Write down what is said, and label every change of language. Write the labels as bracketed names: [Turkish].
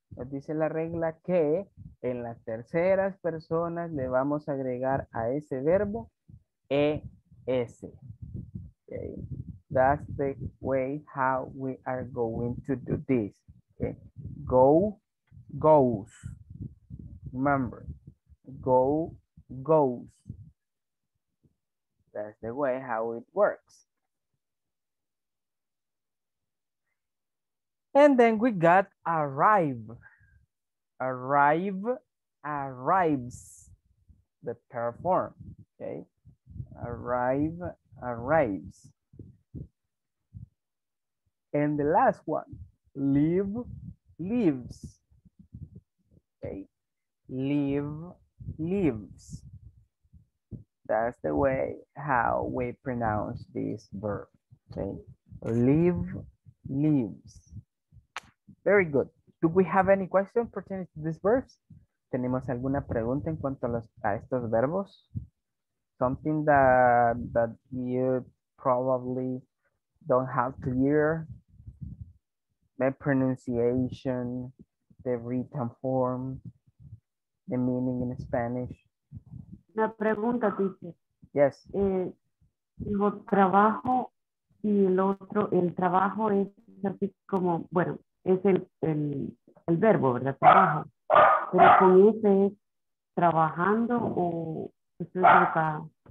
[Spanish] Nos dice la regla que en las terceras personas le vamos a agregar a ese verbo ES. [English] Okay? That's the way how we are going to do this. Okay? Go, goes. Remember, go, goes. That's the way how it works. And then we got arrive. Arrive, arrives, the third form, okay? Arrive, arrives. And the last one, leave, leaves, okay? Leave, leaves. That's the way how we pronounce this verb, okay? Leave, leaves. Very good. Do we have any question pertaining to these verbs? [Spanish] ¿Tenemos alguna pregunta en cuanto a, los, a estos verbos? [English] Something that you probably don't have clear. The pronunciation, the written form, the meaning in Spanish. [Spanish] La pregunta dice. [English] Yes. [Spanish] Digo trabajo y el otro, el trabajo es así como, bueno, es el verbo, ¿verdad? Trabajo. Pero con ese es trabajando o estoy equivocada.